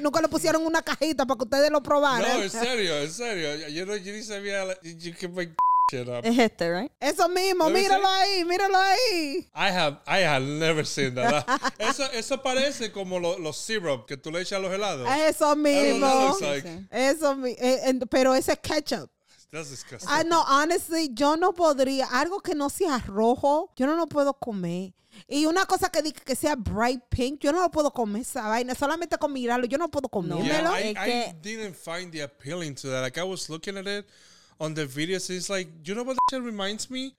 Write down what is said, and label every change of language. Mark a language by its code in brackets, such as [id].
[es] Nunca le pusieron una cajita para que ustedes lo probaran. No, en serio. [en] You didn't say, you can make shit up. It hit there, right? [es] Eso mismo. Míralo ahí. [en] I have never seen that. [es] eso parece como los syrup que tú le echas a los helados. Eso mismo. [en] Like. [es] Eso mismo. Pero ese ketchup. [en] That's disgusting. I know, honestly, [es] yo no podría. Algo que no sea rojo, yo no puedo comer. Y una cosa que diga que sea bright pink, yo no lo puedo comer esa vaina. Solamente con mirarlo, yo no puedo comérmelo. [en] Yeah, I didn't find the appealing to that. Like, I was looking at it on the videos. It's like, you know what that shit reminds me?